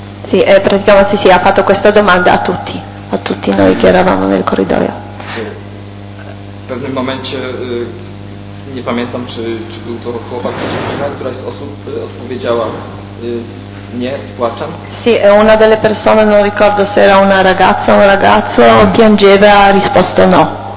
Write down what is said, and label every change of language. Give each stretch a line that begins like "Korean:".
Italian: Sì, praticamente sì, ha fatto questa domanda a tutti noi che eravamo nel corridoio.
Polish: W pewnym momencie nie pamiętam, czy był to chłopak, czy dziewczyna, która z osób odpowiedziała nie, spłaczam.
Italian: Sì, una delle persone, non ricordo se era una ragazza o un ragazzo, piangeva, ha risposto no.